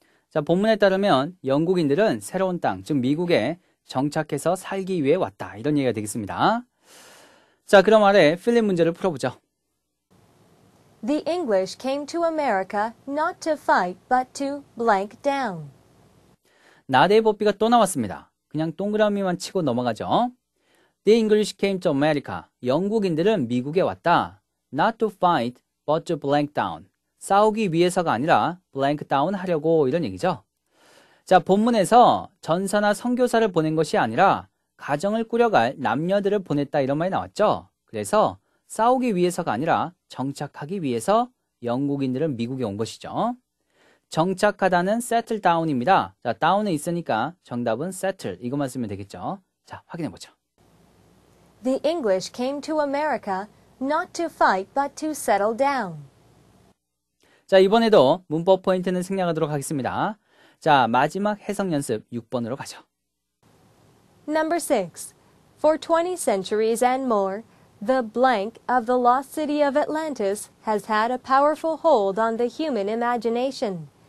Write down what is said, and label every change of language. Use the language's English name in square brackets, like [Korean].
[Korean] 자, 본문에 따르면 영국인들은 새로운 땅, 즉 미국에 정착해서 살기 위해 왔다. 이런 얘기가 되겠습니다. 자, 그럼 아래 필립 문제를 풀어보죠. [English] The English came to America not to fight but to blank down. [Korean] 나대의 법비가 또 나왔습니다. 그냥 동그라미만 치고 넘어가죠. [English] The English came to America. [Korean] 영국인들은 미국에 왔다. [English] Not to fight, but to blank down. [Korean] 싸우기 위해서가 아니라 blank down 하려고 이런 얘기죠. 자, 본문에서 전사나 선교사를 보낸 것이 아니라 가정을 꾸려갈 남녀들을 보냈다 이런 말이 나왔죠. 그래서 싸우기 위해서가 아니라 정착하기 위해서 영국인들은 미국에 온 것이죠. 정착하다는 settle down입니다. 자, down에 있으니까 정답은 settle. 이것만 쓰면 되겠죠. 자, 확인해 보죠. [English] The English came to America not to fight but to settle down. [Korean] 자, 이번에도 문법 포인트는 생략하도록 하겠습니다. 자, 마지막 해석 연습 6번으로 가죠. [English] Number 6. For 20 centuries and more, the blank of the lost city of Atlantis has had a powerful hold on the human imagination.